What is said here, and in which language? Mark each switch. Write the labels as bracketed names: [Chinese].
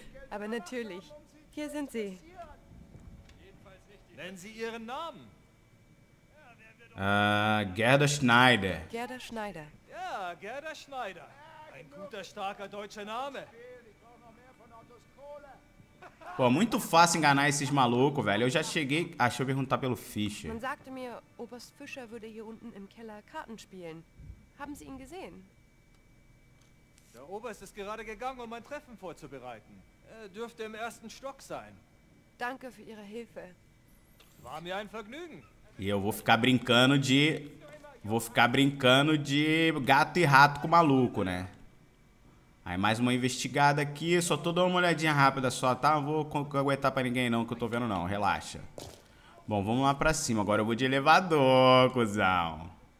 [German] Aber natürlich. Hier sind Sie. Nennen Sie Ihren Namen. Gerda Schneider. Gerda Schneider. Ja, Gerda Schneider. Ein guter, starker deutscher Name. [Portuguese] Pô, muito fácil enganar esses malucos, velho. Eu já cheguei... Ah, deixa eu perguntar pelo Fischer. [German] Man sagte mir, Oberst Fischer würde hier unten im Keller Karten spielen. Haben Sie ihn gesehen? Der Oberst ist gerade gegangen, um ein Treffen vorzubereiten. Er dürfte im ersten Stock sein. Danke für Ihre Hilfe. War mir ein Vergnügen. [Portuguese] E eu vou ficar brincando de... Vou ficar brincando de gato e rato com o maluco, né? Aí mais uma investigada aqui, só tô dando uma olhadinha rápida só, tá? Não vou aguentar pra ninguém não, que eu tô vendo não, relaxa. Bom, vamos lá pra cima, agora eu vou de elevador, cuzão.